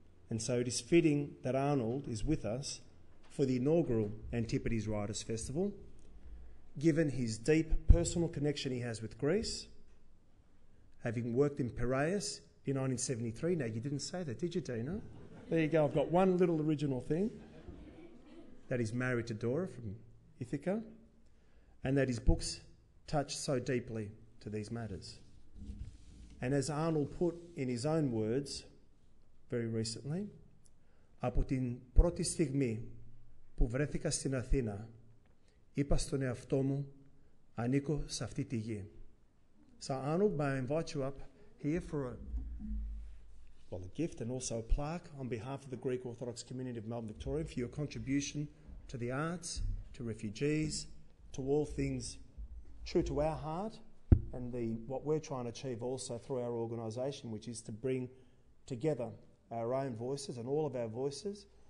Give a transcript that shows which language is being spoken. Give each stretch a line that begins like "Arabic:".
English: And so it is fitting that Arnold is with us for the inaugural Antipodes Writers Festival, given his deep personal connection he has with Greece, having worked in Piraeus in 1973. Now, you didn't say that, did you, Dina? There you go. I've got one little original thing. That he's married to Dora from Ithaca, and that his books touch so deeply to these matters. And as Arnold put in his own words very recently,
Greek: «Από την πρώτη στιγμή που βρέθηκα στην Αθήνα, είπα στον εαυτό μου, ανήκω σε αυτή τη γη».
English: So Arnold, may I invite you up here for a gift and also a plaque on behalf of the Greek Orthodox community of Melbourne, Victoria, for your contribution to the arts, to refugees, to all things true to our heart and what we're trying to achieve also through our organisation, which is to bring together our own voices and all of our voices.